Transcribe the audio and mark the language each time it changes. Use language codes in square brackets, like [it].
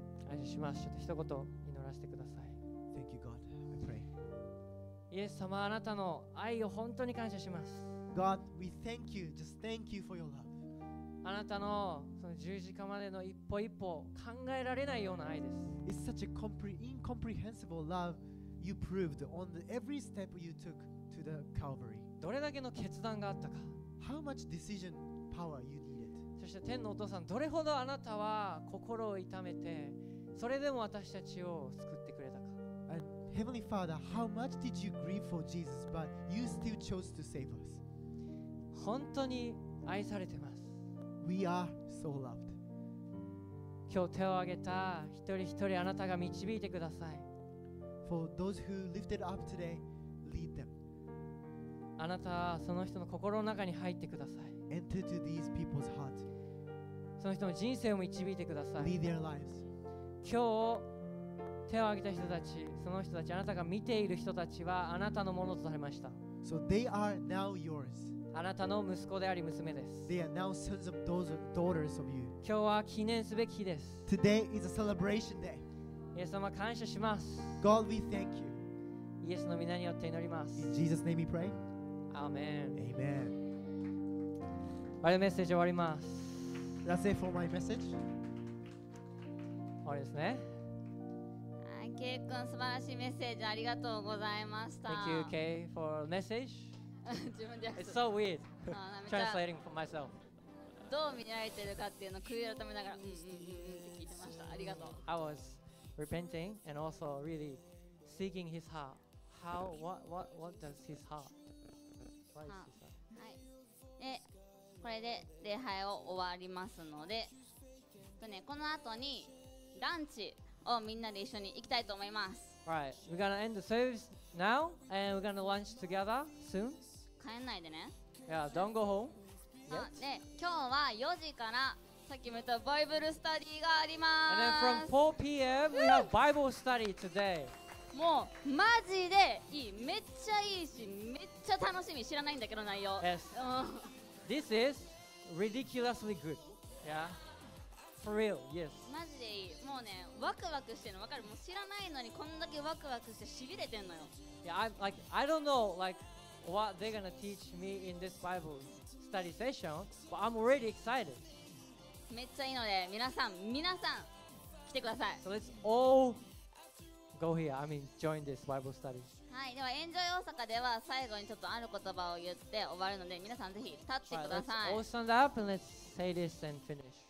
[ja] 愛します。ちょっと一言祈らせてください。 [en] Thank you, God. I pray. [ja] イエス様、あなたの愛を本当に感謝します。 [en] God, we thank you. Just thank you for your love. [ja] あなたのその十字架までの一歩一歩考えられないような愛です。 [en] It's such a incomprehensible love you proved on every step you took to the Calvary. [ja] どれだけの決断があったか。 [en] How much decision power you needed. [ja] そして天のお父さん、どれほどあなたは心を痛めて、それでも私たちを救ってくれたか。 [en] And Heavenly Father, how much did you grieve for Jesus, but you still chose to save us? [ja] 本当に愛されてます。 [en] We are so loved. [ja] 今日手を挙げた一人一人、あなたが導いてください。 [en] For those who lifted up today, lead them. [ja] あなたはその人の心の中に入ってください。 [en] Enter to these people's heart. [ja] その人の人生を導いてください。 [en] Lead their lives. [ja] 今日手を挙げた人たち、その人たち、あなたが見ている人たちはあなたのものとされました。 [en] So they are now yours. [ja] あなたの息子であり娘です。 [en] They are now sons of those daughters of you. [ja] 今日は記念すべき日です。 [en] Today is a celebration day. [ja] イエス様、感謝します。 [en] God, we thank you. [ja] イエスの御名によって祈ります。 [en] In Jesus name we pray. Amen. Amen. [ja] あれ、メッセージ終わります。 [en] That's it for my message. [ja] 終わりですね。ケイ君、素晴らしいメッセージありがとうございました。 [en] Thank you, Kay, for the message. It's so weird translating for myself. [ja] どう見られてるかっていうのを悔い改めながら、うんうんうんって聞いてました。ありがとう。 [en] I was repenting and also really seeking his heart. How, what does his heart? What is his heart? [ja] で、これで礼拝を終わりますので、ね、この後にランチをみんなで一緒に行きたいと思います。 [en] Right, we're gonna end the service now and we're gonna lunch together soon. [ja] 帰んないでね。 [en] Yeah, don't go home yet. [ja] で、今日は4時からさっきも言ったバイブルスタディがあります。 [en] And then from 4pm we have Bible study today. [ja] もうマジでいい、めっちゃいいし、めっちゃ楽しみ。知らないんだけど内容。 [en] Yes. This is ridiculously good. Yeah. For real, yes. [ja] マジでいい。もうね、ワクワクしてるの分かる。もう知らないのにこんだけワクワクしてしびれてんのよ。 [en] Yeah, I'm like, I don't know like what they're gonna teach me in this Bible study session, but I'm already excited. [ja] めっちゃいいので皆さん来てください。 [en] So let's all go here, I mean join this Bible study. [ja] はい、ではエンジョイ大阪では最後にちょっとある言葉を言って終わるので皆さんぜひ立ってください。 [en] Right, let's all stand up and let's say this and finish